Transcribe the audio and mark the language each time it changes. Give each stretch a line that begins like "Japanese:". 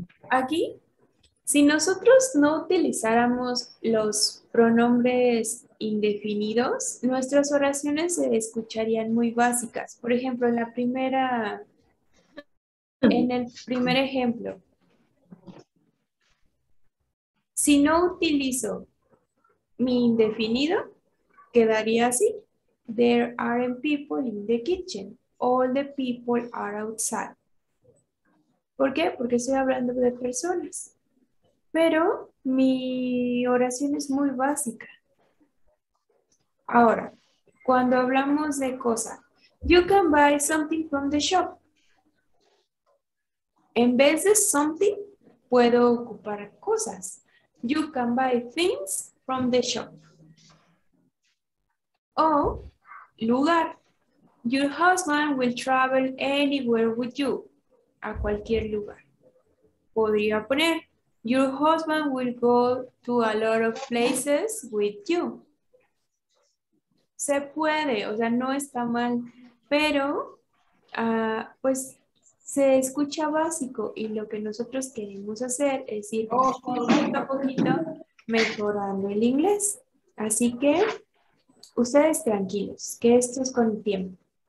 Spanish: Aquí, si nosotros no utilizáramos los pronombres indefinidos, nuestras oraciones se escucharían muy básicas. Por ejemplo, en el primer ejemplo, si no utilizo mi indefinido, quedaría así.
English: There aren't people in the kitchen. All the people are outside.
Spanish: ¿Por qué? Porque estoy hablando de personas. Pero mi oración es muy básica. Ahora, cuando hablamos de cosa,
English: you can buy something from the shop.
Spanish: En vez de something, puedo ocupar cosas.
English: You can buy things from the shop.
Spanish: O lugar.
English: Your husband will travel anywhere with you.
Spanish: A cualquier lugar. Podría poner,
English: your husband will go to a lot of places with you.
Spanish: Se puede, o sea, no está mal, pero pues se escucha básico y lo que nosotros queremos hacer es ir poquito a poquito mejorando el inglés. Así que ustedes tranquilos, que esto es con el tiempo.